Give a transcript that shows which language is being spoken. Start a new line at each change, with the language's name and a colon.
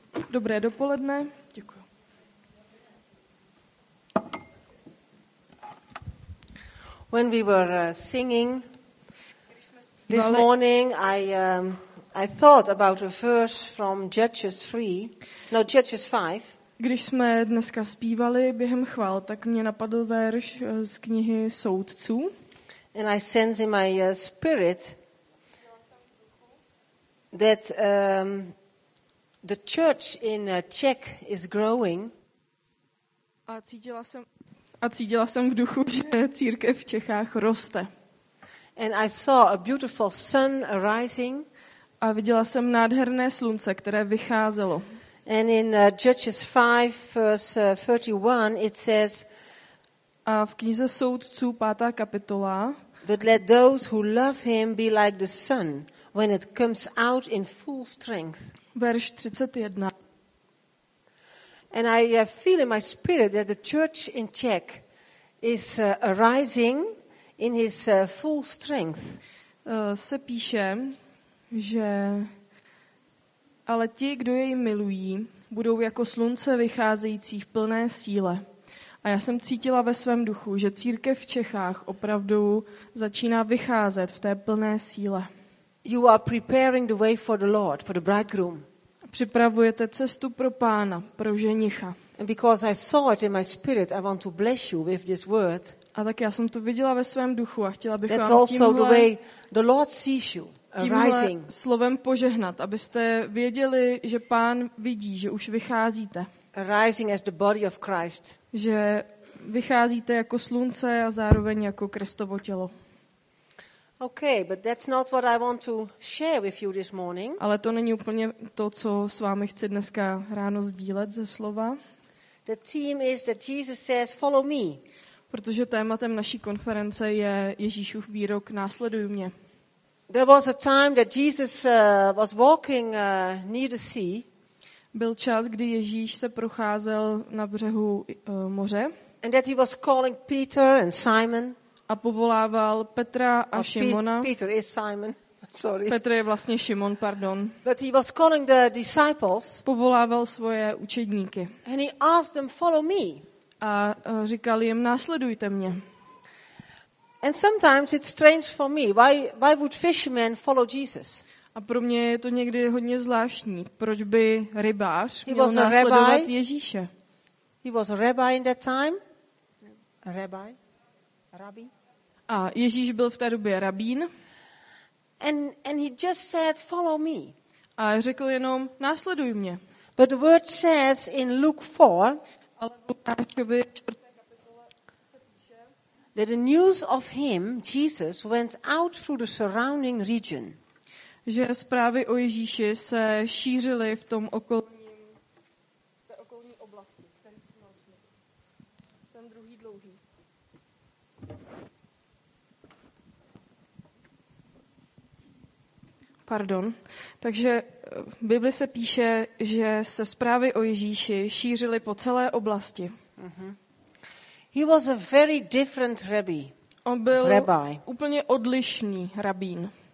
Czech: Dobré dopoledne. Děkuju.
English: When we were singing this morning, I thought about a verse from Judges 5.
Czech: Když jsme dneska zpívali během chvál, tak mě napadl verš z knihy Soudců.
English: And I sense in my spirit that the church in Czech is growing.
Czech: A cítila jsem v duchu, že církev v Čechách roste.
English: And I saw a beautiful sun arising.
Czech: A viděla jsem nádherné slunce, které vycházelo.
English: And in Judges 5 verse 31 it says
Czech: A v knize Soudců 5. kapitola
English: But let those who love him be like the sun when it comes out in full strength.
Czech: Verš 31
English: And I feel in my spirit that the church in Czech is arising in his full strength.
Czech: Se píše, že ale ti, kdo jej milují, budou jako slunce vycházející v plné síle. A já jsem cítila ve svém duchu, že církev v Čechách opravdu začíná vycházet v té plné síle.
English: You are preparing the way for the Lord, for the bridegroom.
Czech: Připravujete cestu pro Pána, pro ženicha.
English: And because I saw it in my spirit, I want to bless you with this word.
Czech: A tak já jsem to viděla ve svém duchu a chtěla bych
English: That's
Czech: vám
English: also
Czech: tímhle,
English: the way the Lord sees you,
Czech: tímhle slovem požehnat, abyste věděli, že Pán vidí, že už vycházíte.
English: Arising as the body of Christ.
Czech: Že vycházíte jako slunce a zároveň jako Kristovo tělo.
English: Okay, but that's not what I want to share with you this morning.
Czech: Ale to není úplně to, co s vámi chci dneska ráno sdílet ze slova.
English: The theme is that Jesus says, "Follow me."
Czech: Protože tématem naší konference je Ježíšův výrok "Následuj mě."
English: There was a time that Jesus was walking near the sea.
Czech: Byl čas, kdy Ježíš se procházel na břehu moře.
English: And that he was calling Peter and Simon.
Czech: A povolával Petra a Šimona.
English: Peter is Simon. Sorry.
Czech: Petr je vlastně Šimon, pardon.
English: But he was calling the disciples.
Czech: Povolával svoje učedníky.
English: And he asked them, "Follow me."
Czech: A říkal jim, "Následujte mě."
English: And sometimes it's strange for me. Why would fishermen follow Jesus?
Czech: A pro mě je to někdy hodně zvláštní. Proč by rybář měl následovat Ježíše?
English: He was a rabbi in that time. Rabbi. Rabbi.
Czech: A Ježíš byl v té době rabín.
English: And he just said, "Follow me."
Czech: A řekl jenom, "Následuj mě."
English: But the word says in Luke 4,
Czech: ale v Lukášově 4. kapitole,
English: that the news of him, Jesus, went out through the surrounding region.
Czech: Že zprávy o Ježíši se šířily v tom okolní oblasti. Ten druhý dlouhý. Pardon. Takže v Bibli se píše, že se zprávy o Ježíši šířily po celé oblasti.
English: He was a very different rabbi.
Czech: On byl úplně odlišný rabín.